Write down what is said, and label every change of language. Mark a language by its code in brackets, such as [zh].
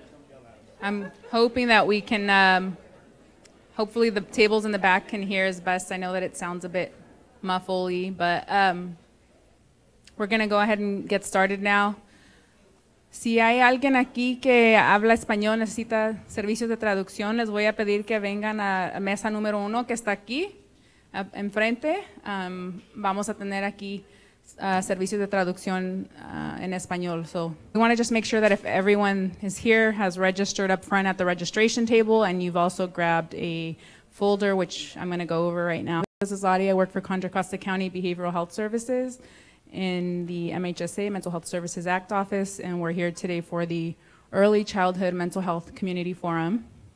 [en] Sorry. I'm hoping that we can, hopefully the tables in the back can hear as best. I know that it sounds a bit muffly, but we're going to go ahead and get started now. [es] Si hay alguien aquí que habla español, necesita servicios de traducción, les voy a pedir que vengan a mesa número uno que está aquí, enfrente. Vamos a tener aquí servicios de traducción en español. [en] So we want to just make sure that if everyone is here, has registered up front at the registration table, and you've also grabbed a folder, which I'm going to go over right now. This is Audie. I work for Contra Costa County Behavioral Health Services in the MHSA, Mental Health Services Act office, and we're here today for the Early Childhood Mental Health Community Forum.